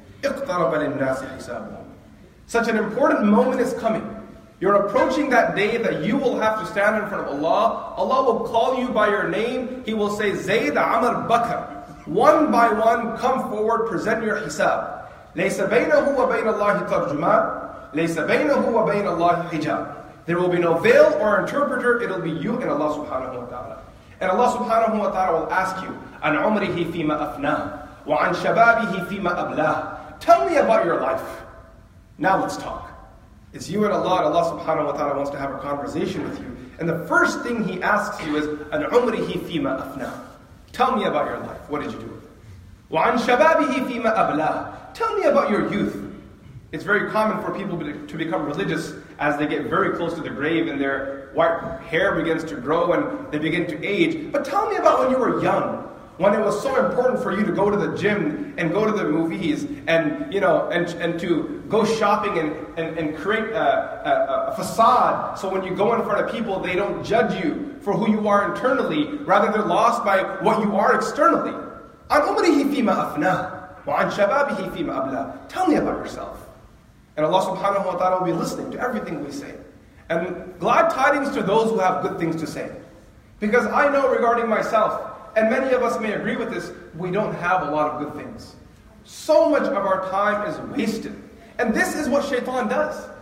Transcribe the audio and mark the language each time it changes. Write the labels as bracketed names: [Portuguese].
[Arabic] اِقْتَرَبَ لِلنَّاسِ حِسَابُهُمْ. [English] Such an important moment is coming. You're approaching that day that you will have to stand in front of Allah. Allah will call you by your name. He will say, Zayd Amr Bakr. One by one, come forward, present your hisab. [Arabic] ليس بينه وبين الله ترجمان ليس بينه وبين الله حجاب. [English] There will be no veil or interpreter, it'll be you and Allah subhanahu wa ta'ala. And Allah subhanahu wa ta'ala will ask you, [Arabic] عن عمره فيما أفناه وعن شبابه فيما أبلاه. [English] Tell me about your life. Now let's talk. It's you and Allah, and Allah subhanahu wa ta'ala wants to have a conversation with you. And the first thing He asks you is, [Arabic] عن عمره فيما أفناه. [English] Tell me about your life. What did you do with it? [Arabic] وعن شبابه فيما أبلاه. [English] Tell me about your youth. It's very common for people to become religious as they get very close to the grave and their white hair begins to grow and they begin to age. But tell me about when you were young, when it was so important for you to go to the gym and go to the movies and, you know, and to go shopping and create a facade so when you go in front of people, they don't judge you for who you are internally, rather they're lost by what you are externally. [Arabic] عن عمره فيما أفناه وعن شبابه فيما أبلاه. [English] Tell me about yourself. And Allah subhanahu wa ta'ala will be listening to everything we say. And glad tidings to those who have good things to say. Because I know regarding myself, and many of us may agree with this, we don't have a lot of good things. So much of our time is wasted. And this is what shaitan does.